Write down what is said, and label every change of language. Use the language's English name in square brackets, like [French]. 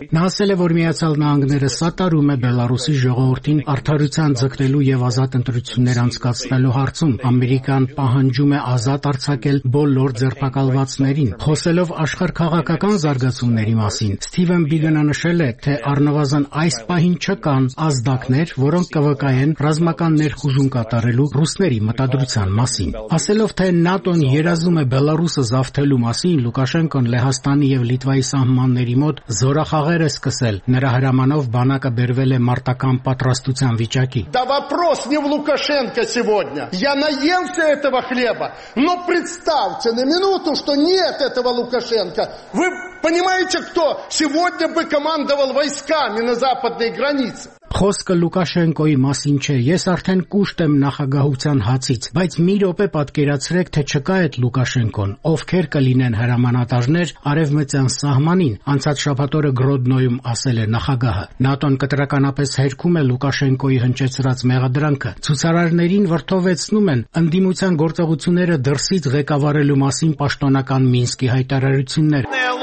[Armenian] Նասելը որ միացյալ նահանգները սատարում է Բելարուսի ժողովրդին արդարության ձգտելու եւ ազատ ընտրություններ անցկացնելու հարցում, Ամերիկան պահանջում է ազատ արձակել բոլոր ձերբակալվածներին, խոսելով աշխարհքաղաքական զարգացումների մասին։ Սթիվեն Բիգնը նշել է, թե առնվազն այս պահին չկան ազդակներ, որոնք կվկայեն ռազմական ներխուժում կատարելու ռուսների մտադրության մասին։ Ասելով, թե ՆԱՏՕ-ն երազում է Բելարուսը զավթելու մասին, Լուկաշենկոն լեհաստ և Լիտվայի սահմանների մոտ զորախաղեր է սկսել։ Նրա հրամանով բանակը բերվել է մարտական պատրաստության վիճակի։ [Russian] Да вопрос не в Лукашенко сегодня. Я наелся этого хлеба. Но представьте на минуту, что нет этого Лукашенко. Вы Понимаете, кто сегодня бы командовал войсками на западной границе? [Armenian] Խոսքը Լուկաշենկոյի մասին չէ, ես արդեն կուշտ եմ նախագահության հացից, բայց մի ոպե պատկերացրեք, թե չկա այդ Լուկաշենկոն, ովքեր կլինեն հրամանատարներ արևմտյան սահմանին, անցած շաբաթօրը Գրոդնոյում ասել է նախագահը։ ՆԱՏՕ-ն կտրականապես հերքում է Լուկաշենկոյի հնչեցրած մեղադրանքը, ցուցարարներին վրդովեցնում են ընդդիմության գործողությունները դրսից ղեկավարելու մասին պաշտոնական Մինսկի հայտարարություններ։